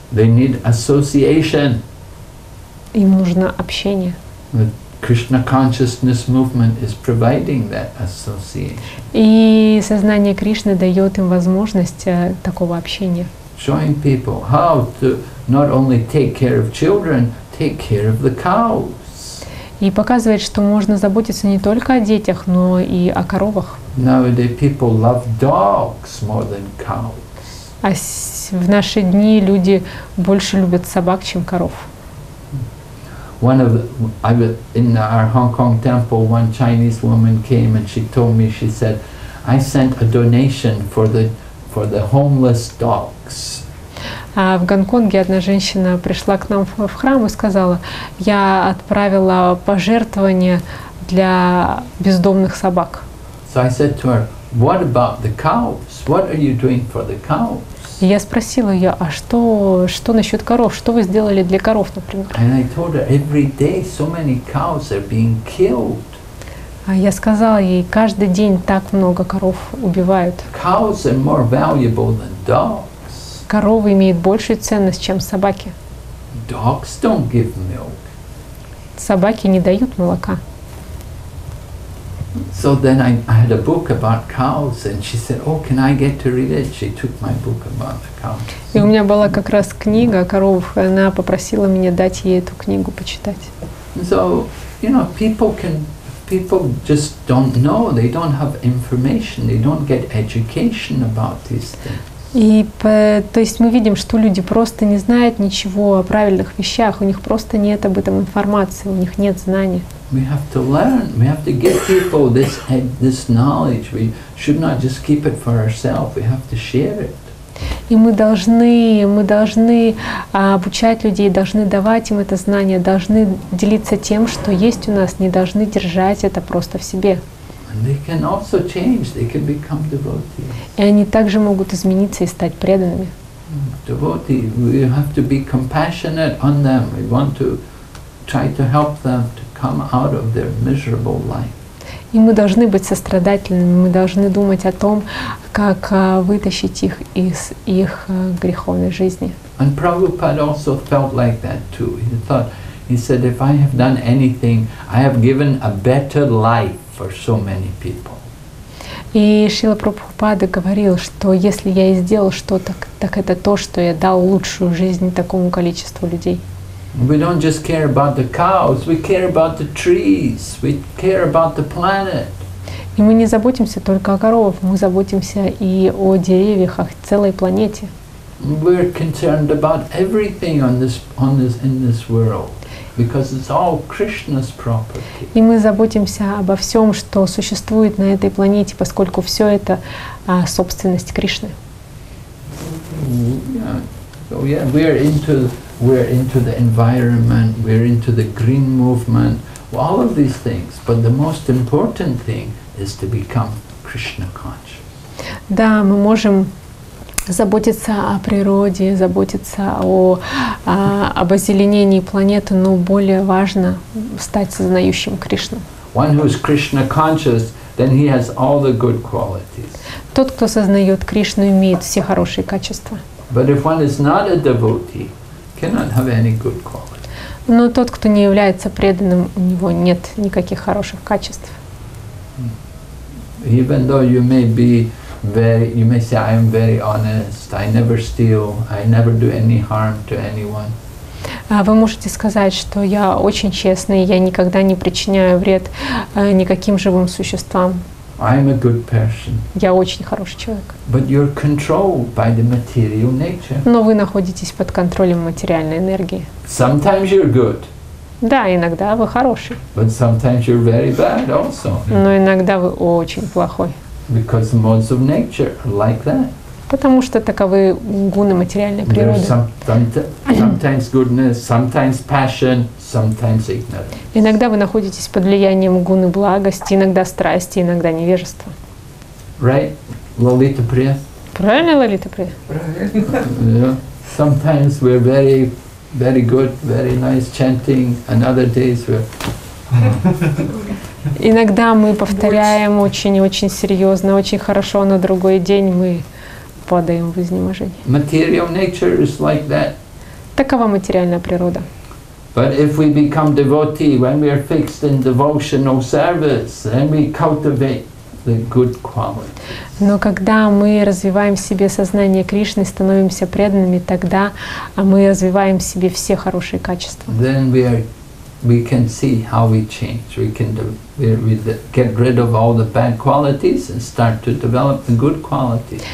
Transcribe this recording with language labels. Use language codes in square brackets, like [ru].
[en] They need association. [ru] Им нужно общение. [en] Krishna consciousness movement is providing that association. [ru] И сознание Кришны дает им возможность такого общения. [en] Showing people how to not only take care of children, take care of the cows. [ru] И показывает, что можно заботиться не только о детях, но и о коровах. [en] Nowadays people love dogs more than cows. [ru] А в наши дни люди больше любят собак, чем коров. [en] one of the, I was in our Hong Kong temple, one Chinese woman came and she told me, she said, I sent a donation for the homeless dogs. [ru] В Гонконге одна женщина пришла к нам в храм и сказала, я отправила пожертвование для бездомных собак. [en] So I said to her, what about the cows? What are you doing for the cows? [ru] И я спросила ее, а что, что насчет коров? Что вы сделали для коров, например? [en] And I told her, every day so many cows are being killed. [ru] Я сказала ей, каждый день так много коров убивают. [en] Cows are more valuable than dogs. [ru] Коровы имеют большую ценность, чем собаки. [en] Dogs don't give milk. [ru] Собаки не дают молока. [en] So then I had a book about cows, and she said, "Oh, can I get to read it?" She took my book about the cows. [ru] И у меня была как раз книга о коровах, и она попросила меня дать ей эту книгу почитать. [en] So, you know, people just don't know. They don't have information. They don't get education about these things. [ru] И то есть мы видим, что люди просто не знают ничего о правильных вещах, у них просто нет об этом информации, у них нет знаний. [en] We have to learn, we have to give people this knowledge. We should not just keep it for ourselves, we have to share it. [ru] И мы должны обучать людей, должны давать им это знание, должны делиться тем, что есть у нас, не должны держать это просто в себе. [en] And they can also change, they can become devotees. [ru] И они также могут измениться и стать преданными. [en] Devotee, we have to be compassionate on them. We want to try to help them to come out of their miserable life. [ru] И мы должны быть сострадательными, мы должны думать о том, как вытащить их из их греховной жизни. [en] And Prabhupada also felt like that too. He said, if I have done anything, I have given a better life for so many people. [ru] И Шрила Прабхупада говорил, что если я и сделал что-то, так это то, что я дал лучшую жизнь такому количеству людей. [en] We don't just care about the cows, we care about the trees, we care about the planet. [ru] И мы не заботимся только о коровах, мы заботимся и о деревьях, о целой планете. [en] We're concerned about everything in this world. Because it's all Krishna's property. [ru] И мы заботимся обо всем, что существует на этой планете, поскольку все это собственность Кришны. [en] Yeah. So yeah, we're into the environment, we're into the green movement, all of these things. But the most important thing is to become Krishna conscious. [ru] Да, мы можем заботиться о природе, заботиться об озеленении планеты, но более важно стать сознающим Кришну. [en] One who is Krishna conscious, then he has all the good qualities. [ru] Тот, кто сознает Кришну, имеет все хорошие качества. [en] But if one is not a devotee, cannot have any good qualities. [ru] Но тот, кто не является преданным, у него нет никаких хороших качеств. [en] Even though you may be very, you may say, I am very honest, I never steal, I never do any harm to anyone. [ru] Вы можете сказать, что я очень честный, я никогда не причиняю вред никаким живым существам. [en] I am a good person. [ru] Я очень хороший человек. [en] But you're controlled by the material nature. [ru] Но вы находитесь под контролем материальной энергии. [en] Sometimes you're good. [ru] Да, иногда вы хороший. [en] But sometimes you're very bad also. [ru] Но иногда вы очень плохой. [en] Because the modes of nature are like that. [ru] Потому что таковы гуны материальной природы. [en] Sometimes goodness, sometimes passion, sometimes ignorance. [ru] Иногда вы находитесь под влиянием гуны благости, иногда страсти, иногда невежества. [en] Right, Lalita Priya? [ru] Правильно, Лолита Прия? Правильно. [en] Yeah. Sometimes we're very, very good, very nice chanting, and other days we're... [ru] Иногда мы повторяем очень-очень серьезно, очень хорошо, на другой день мы падаем в изнеможение. [en] Material nature is like that. [ru] Такова материальная природа. [en] But if we become devotee, when we are fixed in devotional service, then we cultivate the good qualities. [ru] Но когда мы развиваем в себе сознание Кришны, становимся преданными, тогда мы развиваем в себе все хорошие качества. [en] Then we can see how we change. We can get rid of all the bad qualities and start to develop the good qualities.